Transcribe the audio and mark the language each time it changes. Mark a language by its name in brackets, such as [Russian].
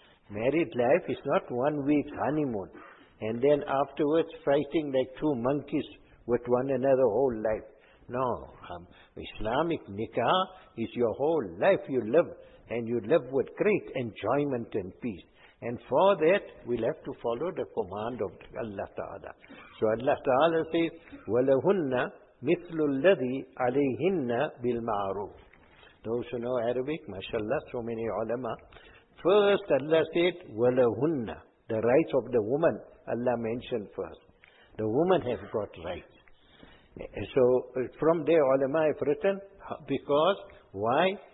[English] Married life is not 1 week honeymoon and then afterwards fighting like two monkeys with one another whole life. No, Islamic nikah is your whole life you live, and you live with great enjoyment and peace. And for that, we'll have to follow the command of Allah Ta'ala. So Allah Ta'ala says, [Arabic] وَلَهُنَّ مِثْلُ الَّذِي عَلَيْهِنَّ بِالْمَعْرُوفِ. [English] Those who know Arabic, mashallah, so many ulama. First Allah said, وَلَهُنَّ, the rights of the woman, Allah mentioned first. The woman has got rights. So from there, ulama have written, because why?